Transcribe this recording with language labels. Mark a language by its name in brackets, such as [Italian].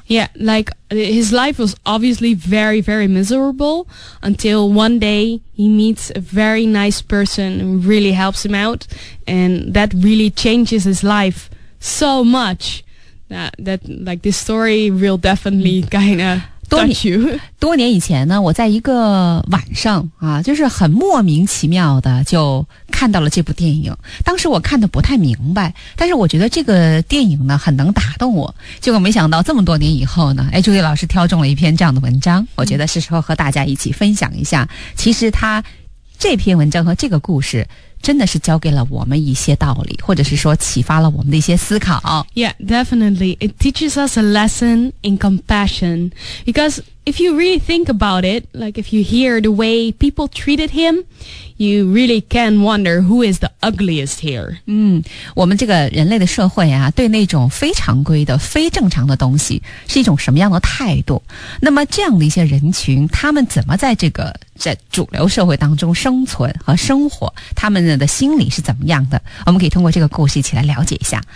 [English] Yeah, like his life was obviously very, very miserable until one day he meets a very nice person really helps him out, and that really changes his life so much that like this story will definitely kind of touch you. [Chinese] 多年以前呢，我在一个晚上啊，就是很莫名其妙的就看到了这部电影。当时我看的不太明白，但是我觉得这个电影呢很能打动我。结果没想到这么多年以后呢，朱莉老师挑中了一篇这样的文章，我觉得是时候和大家一起分享一下。其实它这篇文章和这个故事真的是教给了我们一些道理，或者是说启发了我们的一些思考。 [English] Yeah, definitely. It teaches us a lesson in compassion. Because if you really think about it, like if you hear the way people treated him, you really can wonder who is the ugliest here. [Chinese] 我们这个人类的社会啊，对那种非常规的、非正常的东西是一种什么样的态度？那么这样的一些人群，他们怎么在这个在主流社会当中生存和生活？他们的心理是怎么样的？我们可以通过这个故事一起来了解一下。